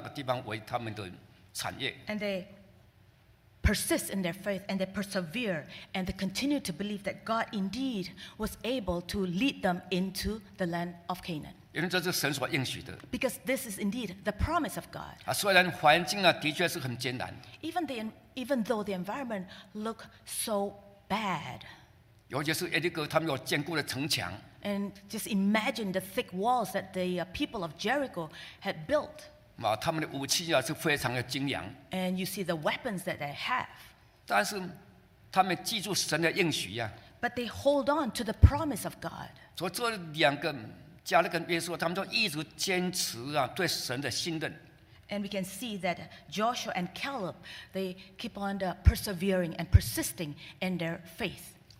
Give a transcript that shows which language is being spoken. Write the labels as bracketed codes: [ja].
[zh] 所以这两个他们坚持，坚持信心，他们相信神既然是应许的话，他们一定能够进到迦南地，得那个地方为他们的产业。 [en] And they persist in their faith, and they persevere, and they continue to believe that God indeed was able to lead them into the land of Canaan. [zh] 因为这是神所应许的, [en] because this is indeed the promise of God. [zh] 啊, 虽然环境啊, 的确是很艰难, [en] even though the environment looked so bad, [zh] 尤其是耶利哥, 他们有坚固的城墙, [en] and just imagine the thick walls that the people of Jericho had built. [zh] 啊, 他们的武器啊, 是非常的精良, [en] and you see the weapons that they have. [zh] 但是他们记住神的应许啊, [en] but they hold on to the promise of God. [zh] 所以这两个, 加勒跟约书亚他们就一直坚持对神的信任。 [en] And we can see that Joshua and Caleb, they keep on persevering and persisting in their faith.